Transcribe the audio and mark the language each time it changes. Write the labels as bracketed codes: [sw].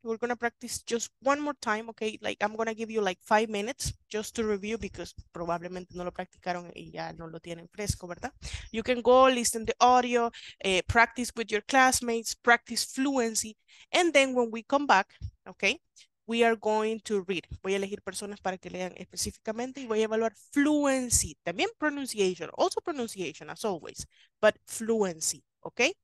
[en] We're gonna practice just one more time, okay? Like, I'm gonna give you like 5 minutes just to review, because [es] probablemente no lo practicaron y ya no lo tienen fresco, ¿verdad? [en] You can go listen to the audio, practice with your classmates, practice fluency, and then when we come back, okay, we are going to read. [es] Voy a elegir personas para que lean específicamente y voy a evaluar fluency. También [en] pronunciation, also pronunciation as always, but fluency, okay?